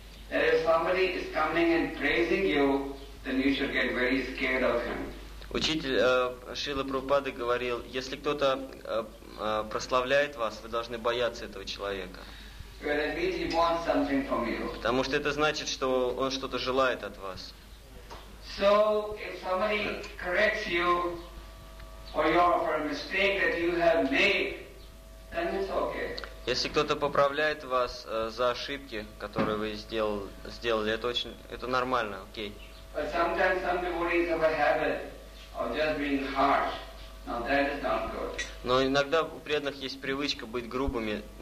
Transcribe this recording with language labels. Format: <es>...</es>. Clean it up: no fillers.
<en>That if somebody is coming and praising you, then you should get very scared of him.</en> <ru>Учитель Шрилы Прабхупады говорил, если кто-то прославляет вас, вы должны бояться этого человека. Потому что это значит, что он что-то желает от вас.</ru> <en>So if somebody corrects you for a mistake that you have made, then it's okay.</en> <ru>Если кто-то поправляет вас за ошибки, которые вы сделали, это нормально, окей.</ru> <en>But sometimes some devotees have a habit of just being harsh. Now that is not good.</en> <ru>Но иногда у преданных есть привычка быть грубыми.</ru>